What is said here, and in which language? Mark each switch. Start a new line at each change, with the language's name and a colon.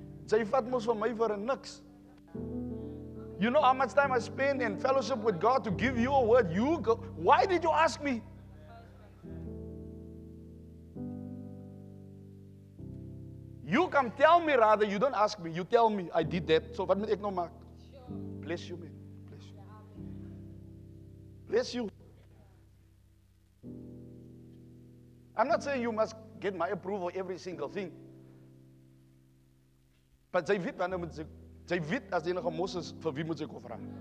Afrikaans: Jy vat mos van my vir niks.
English: You know how much time I spend in fellowship with God to give you a word. You go. Why did you ask me? You come tell me rather. You don't ask me. You tell me. I did that. So
Afrikaans: wat moet ek nou maak?
English: Bless you, man. Bless you. I'm not saying you must get my approval every single thing.
Afrikaans: But jy weet as enige Moses vir wie moet jy kom vra?